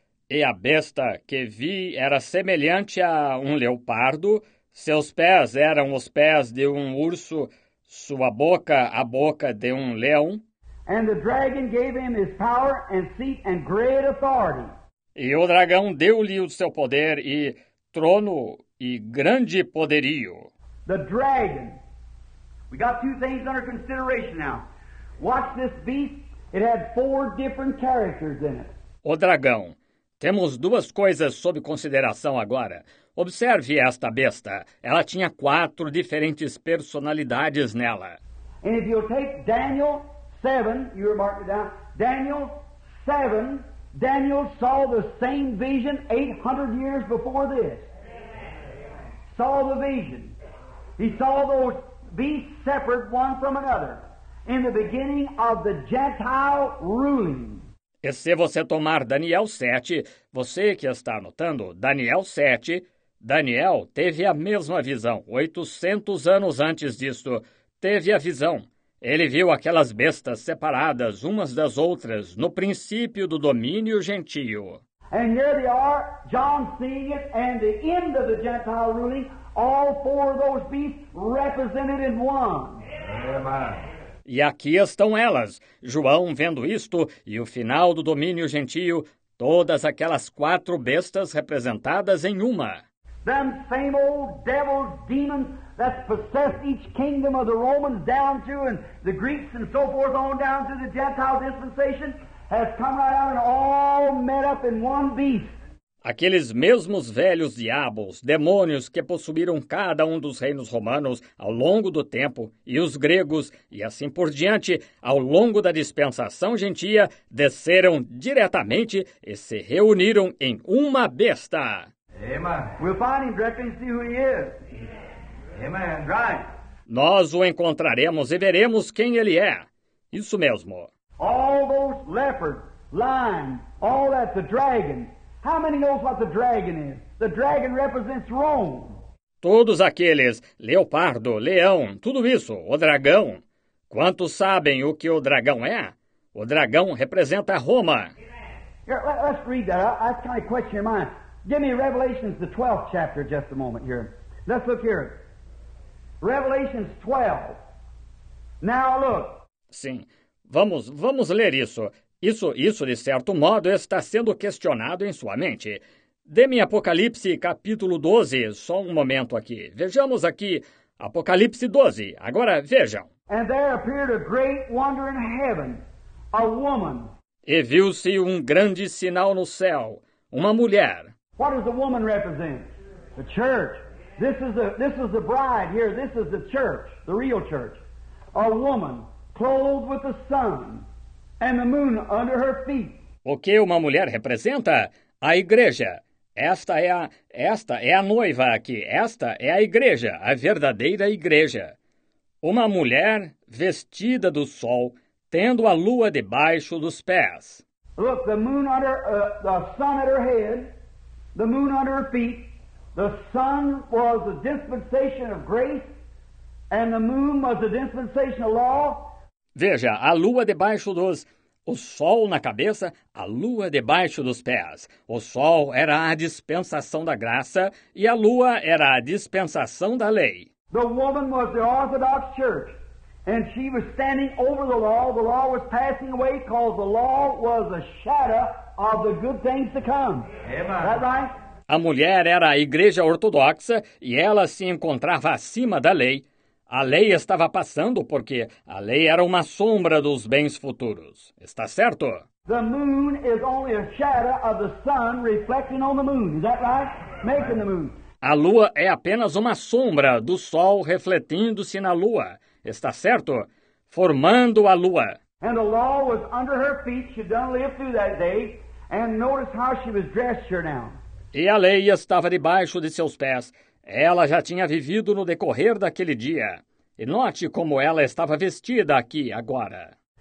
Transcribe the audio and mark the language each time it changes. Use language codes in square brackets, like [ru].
[pt] E a besta que vi era semelhante a um leopardo. Seus pés eram os pés de um urso. Sua boca a boca de um leão. [en] And the dragon gave him his power and seat and great authority. [pt] E o dragão deu-lhe o seu poder e trono e grande poderio. [en] The dragon. We got two things under consideration now. Watch this beast. It had four different characters in it. [pt] O dragão. Temos duas coisas sob consideração agora. Observe esta besta. Ela tinha quatro diferentes personalidades nela. [en] And if you'll take Daniel 7, you were marking it down. Daniel 7, Daniel saw the same vision 800 years before this. Amen. Saw the vision. He saw those beasts separate one from another in the beginning of the Gentile ruling. [pt] E se você tomar Daniel 7, você que está anotando, Daniel 7, Daniel teve a mesma visão 800 anos antes disto, teve a visão. Ele viu aquelas bestas separadas umas das outras no princípio do domínio gentio. [en] And here they are, John seeing it, and the end of the Gentile ruling, all four of those beasts represented in one. Amen. [pt] E aqui estão elas, João vendo isto, e o final do domínio gentio, todas aquelas quatro bestas representadas em uma. [en] Them same old devil demons that possessed each kingdom of the Romans down to and the Greeks and so forth on down to the Gentile dispensation has come right out and all met up in one beast. [pt] Aqueles mesmos velhos diabos, demônios que possuíram cada um dos reinos romanos ao longo do tempo, e os gregos, e assim por diante, ao longo da dispensação gentia, desceram diretamente e se reuniram em uma besta. [en] Amen. We'll find him directly and see who he is. Amen. Right. [pt] Nós o encontraremos e veremos quem ele é. Isso mesmo. [en] All those leopards, lions, all that, the dragon. How many knows what the dragon is? The dragon represents Rome. [pt] Todos aqueles, leopardo, leão, tudo isso, o dragão. Quantos sabem o que o dragão é? O dragão representa Roma. [en] Here, let's read that. That's kind of a question in your mind. Give me Revelation, the 12th chapter, just a moment here. Let's look here. Revelation 12. Now look. [pt] Sim. Vamos ler isso. Isso, de certo modo, está sendo questionado em sua mente. Dê-me Apocalipse, capítulo 12, só um momento aqui. Vejamos aqui, Apocalipse 12. Agora, vejam. [en] And there appeared a great wonder in heaven, a woman. [pt] E viu-se um grande sinal no céu, uma mulher. [en] What does the woman represent? The church. This is the bride here. This is the church, the real church. A woman clothed with the sun. And the moon under her feet. [pt] O que uma mulher representa? A igreja. Esta é a noiva aqui. Esta é a igreja, a verdadeira igreja. Uma mulher vestida do sol, tendo a lua debaixo dos pés. [en] Look, the moon under the sun at her head, the moon under her feet. The sun was a dispensation of grace, and the moon was a dispensation of law. [pt] Veja, a lua debaixo dos... O sol na cabeça, a lua debaixo dos pés. O sol era a dispensação da graça e a lua era a dispensação da lei. [en] The woman was the Orthodox Church. And she was standing over the law. The law was passing away because the law was a shadow of the good things to come. Amen. Is that right? [pt] A mulher era a igreja ortodoxa e ela se encontrava acima da lei. A lei estava passando porque a lei era uma sombra dos bens futuros. Está certo? [en] The moon is only a shadow of the sun reflecting on the moon. Is that right? Making the moon. [pt] A lua é apenas uma sombra do sol refletindo-se na lua. Está certo? Formando a lua. [en] And the law was under her feet. She didn't live through that day. And notice how she was dressed here now. [pt] E a lei estava debaixo de seus pés. Ela já tinha vivido no decorrer daquele dia. E note como ela estava vestida aqui agora.